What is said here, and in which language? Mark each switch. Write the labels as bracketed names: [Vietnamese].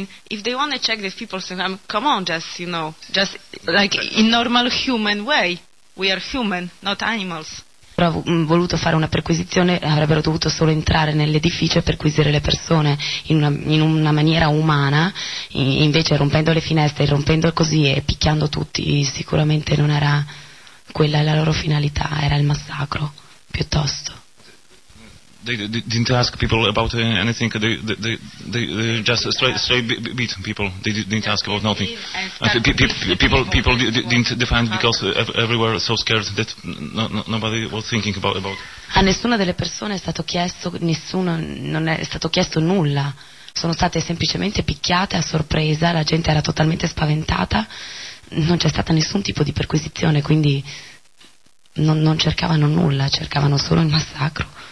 [English] If they want to check these people, so come on, just like in normal human way. We are human, not animals. [Italian] Però voluto fare una perquisizione, avrebbero dovuto solo entrare nell'edificio e perquisire le persone in una maniera umana, invece rompendo le finestre, rompendo così e picchiando tutti, sicuramente non era quella la loro finalità, era il massacro, piuttosto. [English] They didn't ask people about anything. They just straight beat people. They didn't ask about nothing. People didn't defend because everywhere so scared that nobody was thinking about. [Italian] A nessuna delle persone è stato chiesto nessuno non è stato chiesto nulla. Sono state semplicemente picchiate a sorpresa. La gente era totalmente spaventata. Non c'è stata nessun tipo di perquisizione. Quindi non cercavano nulla. Cercavano solo il massacro.